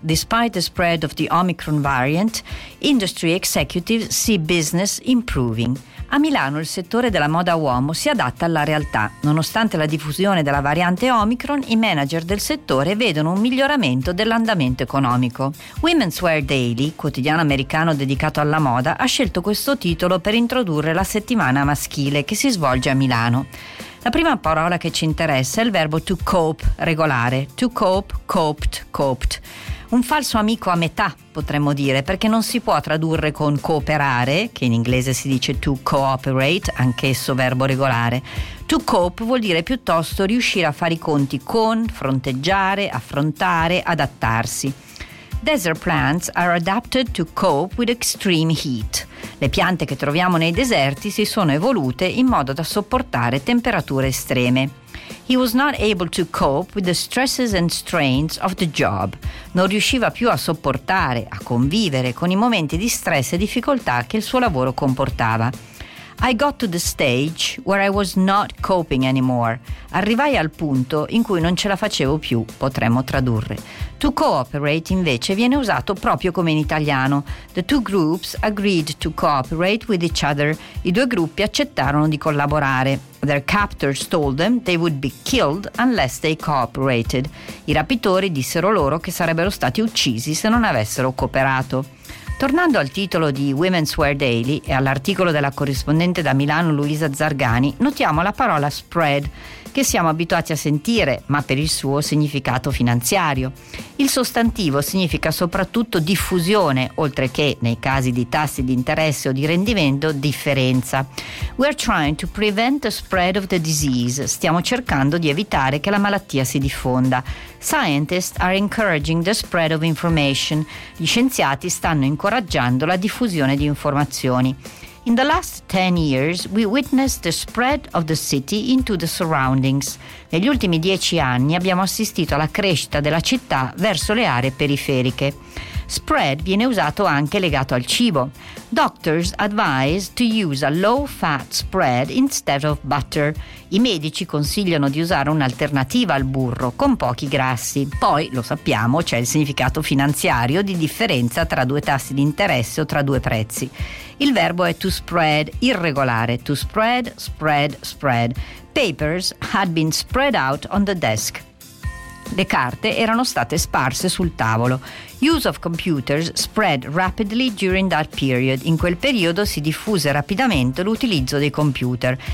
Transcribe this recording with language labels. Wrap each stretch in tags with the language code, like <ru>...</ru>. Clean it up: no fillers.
<en>Despite the spread of the Omicron variant, industry executives see business improving.</en> <it>A Milano il settore della moda uomo si adatta alla realtà. Nonostante la diffusione della variante Omicron, i manager del settore vedono un miglioramento dell'andamento economico. Women's Wear Daily, quotidiano americano dedicato alla moda, ha scelto questo titolo per introdurre la settimana maschile che si svolge a Milano. La prima parola che ci interessa è il verbo to cope, regolare.</it> <en>To cope, coped, coped.</en> <it>Un falso amico a metà, potremmo dire, perché non si può tradurre con cooperare, che in inglese si dice to cooperate, anch'esso verbo regolare. To cope vuol dire piuttosto riuscire a fare i conti con, fronteggiare, affrontare, adattarsi.</it> <en>Desert plants are adapted to cope with extreme heat.</en> <it>Le piante che troviamo nei deserti si sono evolute in modo da sopportare temperature estreme.</it> <en>He was not able to cope with the stresses and strains of the job.</en> <it>Non riusciva più a sopportare, a convivere con i momenti di stress e difficoltà che il suo lavoro comportava.</it> <en>I got to the stage where I was not coping anymore.</en> <it>Arrivai al punto in cui non ce la facevo più, potremmo tradurre. To cooperate, invece, viene usato proprio come in italiano.</it> <en>The two groups agreed to cooperate with each other.</en> <it>I due gruppi accettarono di collaborare.</it> <en>Their captors told them they would be killed unless they cooperated.</en> <it>I rapitori dissero loro che sarebbero stati uccisi se non avessero cooperato. Tornando al titolo di Women's Wear Daily e all'articolo della corrispondente da Milano Luisa Zargani, notiamo la parola spread, che siamo abituati a sentire, ma per il suo significato finanziario. Il sostantivo significa soprattutto diffusione, oltre che, nei casi di tassi di interesse o di rendimento, differenza.</it> <en>We're trying to prevent the spread of the disease.</en> <it>Stiamo cercando di evitare che la malattia si diffonda.</it> <en>Scientists are encouraging the spread of information.</en> <it>Gli scienziati stanno incoraggiando la diffusione di informazioni.</it> <en>In the last 10 years, we witnessed the spread of the city into the surroundings.</en> <it>Negli ultimi 10 anni abbiamo assistito alla crescita della città verso le aree periferiche. Spread viene usato anche legato al cibo.</it> <en>Doctors advise to use a low-fat spread instead of butter.</en> <it>I medici consigliano di usare un'alternativa al burro, con pochi grassi. Poi, lo sappiamo, c'è il significato finanziario di differenza tra due tassi di interesse o tra due prezzi. Il verbo è to spread, irregolare.</it> <en>To spread, spread, spread. Papers had been spread out on the desk.</en> <it>Le carte erano state sparse sul tavolo.</it> <en>Use of computers spread rapidly during that period.</en> <it>In quel periodo si diffuse rapidamente l'utilizzo dei computer.</it>